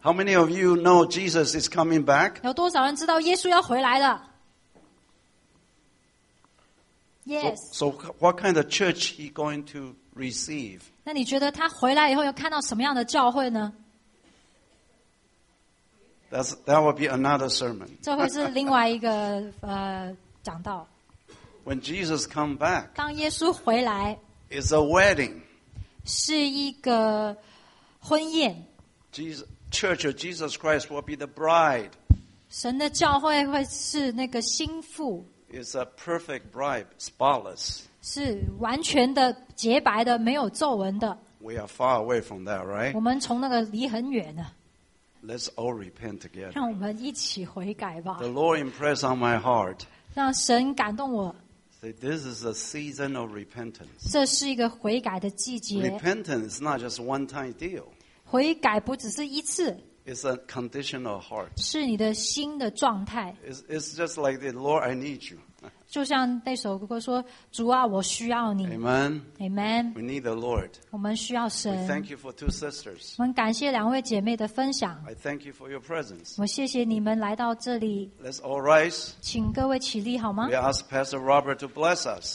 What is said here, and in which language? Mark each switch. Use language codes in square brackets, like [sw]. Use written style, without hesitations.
[en] How many of you know Jesus is coming back? [zh] 有多少人知道耶稣要回来了 ？ [en] Yes. So what kind of church he going to receive? [zh] 那你觉得他回来以后要看到什么样的教会呢？ [en] That will be another sermon. [zh] 这会是另外一个讲道。 [en] When Jesus come back, [zh] 当耶稣回来 [en] ，is a wedding. [zh] 是一个婚宴。 [en] Church of Jesus Christ will be the bride. [zh] 神的教会会是那个新妇。 [en] Is a perfect bride, spotless. [zh] 是完全的洁白的，没有皱纹的。 [en] We are far away from that, right? [zh] 我们从那个离很远呢。 [en] Let's all repent together. [zh] 让我们一起悔改吧。 [en] The Lord impressed on my heart. [zh] 让神感动我。 [en] Say this is a season of repentance. [zh] 这是一个悔改的季节。 [en] Repentance is not just one-time deal. [zh] 悔改不只是一次。 [en] It's a conditional heart. [zh] 是你的心的状态。 [en] It's just like the Lord, I need you. [zh] 就像那首歌说，主啊，我需要你。 [en] Amen. Amen. We need the Lord. [zh] 我们需要神。 [en] We thank you for two sisters. [zh] 我们感谢两位姐妹的分享。 [en] I thank you for your presence. [zh] 我谢谢你们来到这里。 [en] Let's all rise. [zh] 请各位起立好吗 [en] ？We ask Pastor Robert to bless us.